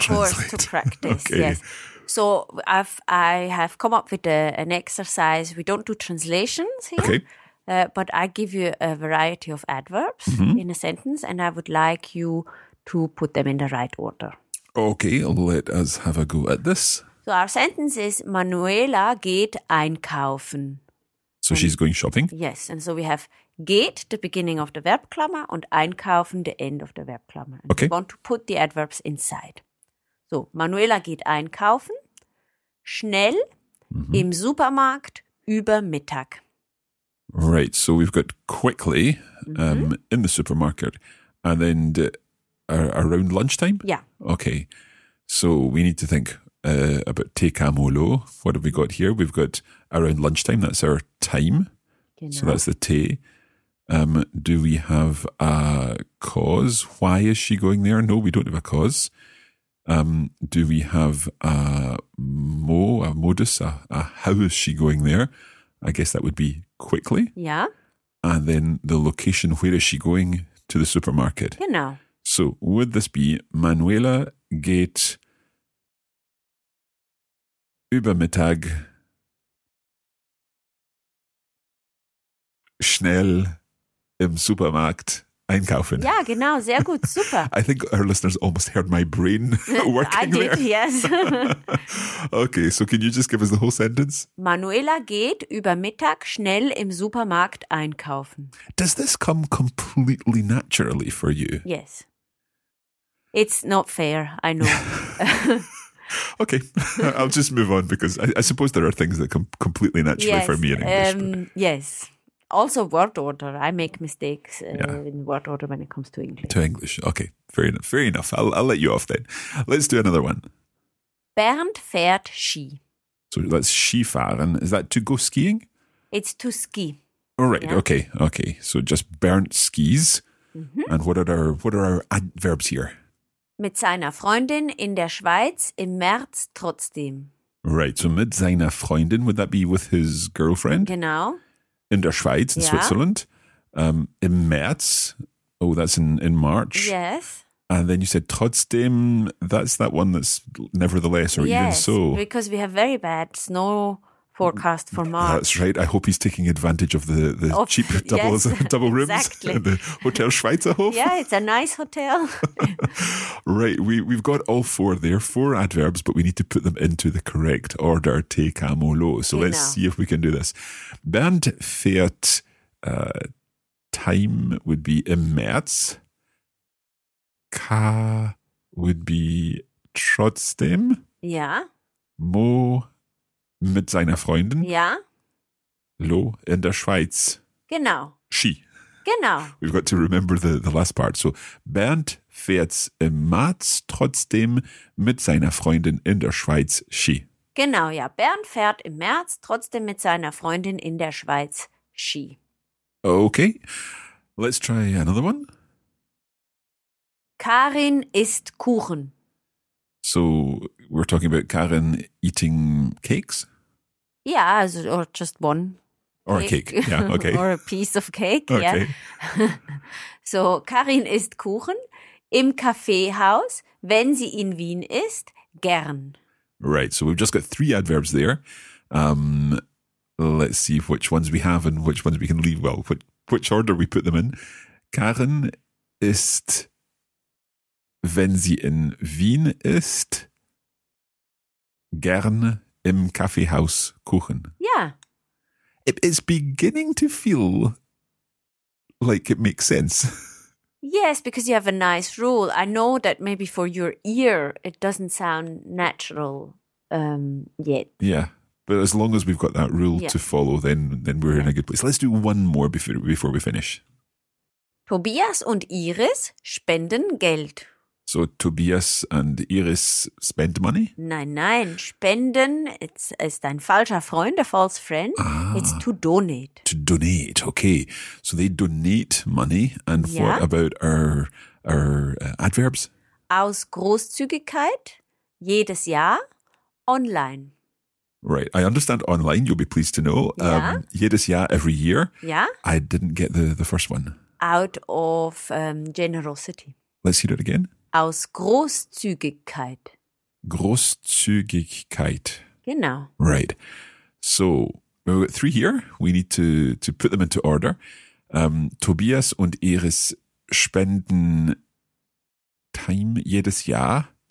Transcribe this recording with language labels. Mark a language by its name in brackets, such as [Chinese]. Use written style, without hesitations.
[English] Of course, to practice, yes. So I have come up with an exercise. We don't do translations here. Okay. But I give you a variety of adverbs in a sentence, and I would like you to put them in the right order. Okay, let us have a go at this. So our sentence is, [German] Manuela geht einkaufen. [English] So and she's going shopping? Yes, and so we have geht, the beginning of the Verbklammer, und einkaufen, the end of the Verbklammer. And okay. We want to put the adverbs inside. [German] So, Manuela geht einkaufen, schnell, im Supermarkt, über Mittag. [English] Right, so we've got quickly in the supermarket and then around lunchtime? Yeah. Okay, so we need to think about te kamo lo. What have we got here? We've got around lunchtime, that's our time. [German] Genau. [English] So that's the te. Do we have a cause? Why is she going there? No, we don't have a cause. Do we have a mo, a modus, a how is she going there? I guess that would be quickly. Yeah. And then the location, where is she going? To the supermarket. You know. So would this be [German] Manuela geht übermittag schnell im Supermarkt einkaufen? Yeah, genau. Sehr gut. Super. [English] I think our listeners almost heard my brain working. I did, yes. Okay, so can you just give us the whole sentence? [German] Manuela geht über Mittag schnell im Supermarkt einkaufen. [English] Does this come completely naturally for you? Yes. It's not fair, I know. Okay, I'll just move on because I suppose there are things that come completely naturally for me in English. Yes. Also word order. I make mistakes in word order when it comes to English. To English. Okay, fair enough. I'll let you off then. Let's do another one. [German] Bernd fährt Ski. [English] So that's Ski fahren. Is that to go skiing? It's to ski. All right. Yeah. Okay. So just Bernd skis. Mm-hmm. And what are our adverbs here? [German] Mit seiner Freundin in der Schweiz im März trotzdem. [English] Right. So [German] mit seiner Freundin, [English] would that be with his girlfriend? [German] Genau. In der Schweiz, [English] in Switzerland, [German] im März. [English] Oh, that's in March. Yes. And then you said trotzdem, that's that one that's nevertheless or yes, even so. Yes, because we have very bad snow forecast for March. That's right. I hope he's taking advantage of the cheap double rooms. Exactly. In the Hotel Schweizerhof. Yeah, it's a nice hotel. Right. We've got all four there, four adverbs, but we need to put them into the correct order, te kamo lo. So [German] genau. [English] Let's see if we can do this. [German] Bernd fährt, [English] time would be [German] im März. [English] Ka would be trotzdem. Yeah. [German] Mo mit seiner Freundin. Ja. Lo in der Schweiz. Genau. Ski. Genau. [English] We've got to remember the last part. [German] So, Bernd fährt im März trotzdem mit seiner Freundin in der Schweiz Ski. Genau, ja. Bernd fährt im März trotzdem mit seiner Freundin in der Schweiz Ski. [English] Okay, let's try another one. [German] Karin isst Kuchen. [English] So, we're talking about Karin eating cakes? Yeah, or just one. Or cake. A cake, yeah, okay. Or a piece of cake, okay. Yeah. [German] So, Karin isst Kuchen im Kaffeehaus, wenn sie in Wien ist, gern. [English] Right, so we've just got three adverbs there. Let's see which ones we have and which ones we can leave. Well, which order we put them in. [German] Karin isst, wenn sie in Wien ist, gern im Kaffeehaus Kuchen. [English] Yeah. It's beginning to feel like it makes sense. Yes, because you have a nice rule. I know that maybe for your ear, it doesn't sound natural yet. Yeah. But as long as we've got that rule to follow, then we're in a good place. Let's do one more before we finish. [German] Tobias und Iris spenden Geld. [English] So Tobias and Iris spend money? [German] Nein. Spenden ist ein falscher Freund, [English] a false friend. Ah, it's to donate. To donate, okay. So they donate money. And what about our adverbs? [German] Aus Großzügigkeit, jedes Jahr, online. [English] Right. I understand online, you'll be pleased to know. [German] Jedes Jahr, [English] every year. Yeah. I didn't get the first one. Out of generosity. Let's hear it again. [German] Aus Großzügigkeit. Großzügigkeit. Genau. [English] Right. So, we've got three here. We need to put them into order. [German] Tobias und Iris spenden time jedes Jahr.